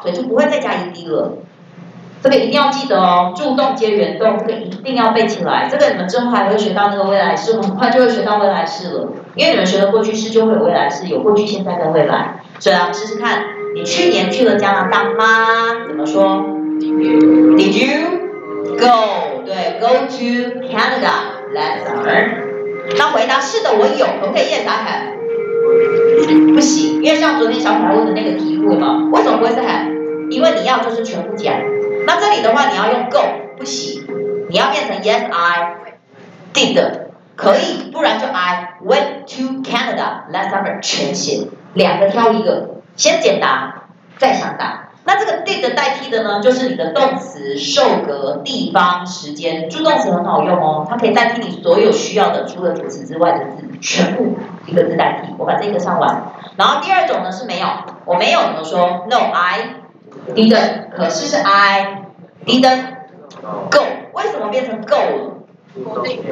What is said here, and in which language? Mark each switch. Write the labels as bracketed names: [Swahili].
[Chinese] 所以就不会再加 ed 了。这个一定要记得哦，助动接原动，这个一定要背起来。这个你们之后还会学到那个未来式，很快就会学到未来式了。因为你们学的过去式就会有未来式，有过去、现在跟未来。所以来我们试试看，你去年去了加拿大吗？怎么说 [English] ？Did you go？ [Chinese] 对 [English] ，go to Canada last summer。 [Chinese] 那回答是的，我有。 [English] OK， yes， I have。 [Chinese] 不行，因为像昨天小可爱问的那个题目嘛，为什么不会是 have？因为你要就是全部讲。那这里的话，你要用 go 不行，你要变成 [English] yes I did， [Chinese] 可以，不然就 [English] I went to Canada last summer [Chinese] 全写，两个挑一个，先简答，再想答。那这个 did 代替的呢，就是你的动词、受格、地方、时间。助动词很好用哦，它可以代替你所有需要的，除了主词之外的字，全部一个字代替。我把这个上完。然后第二种呢是没有，我没有怎么说 ？ [English] No I。 [Chinese] Didn't， 可是是 [English] I didn't go， [Chinese] 为什么变成 go 了？